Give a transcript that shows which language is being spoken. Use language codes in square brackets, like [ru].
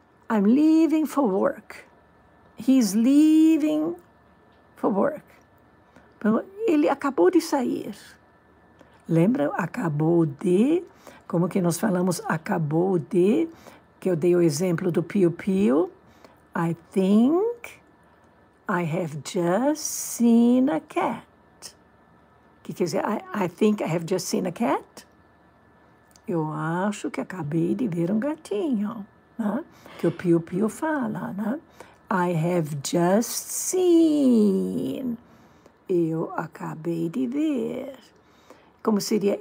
[en] I'm leaving for work. He's leaving for work. [pt] Ele acabou de sair. Lembra? Acabou de. Como que nós falamos acabou de? Que eu dei o exemplo do piu-piu. [en] I think I have just seen a cat. [pt] Que quer dizer, [en] I think I have just seen a cat. [pt] Eu acho que acabei de ver um gatinho. Né? Que o piu-piu fala, né? [en] I have just seen. [pt] Eu acabei de ver. Como seria?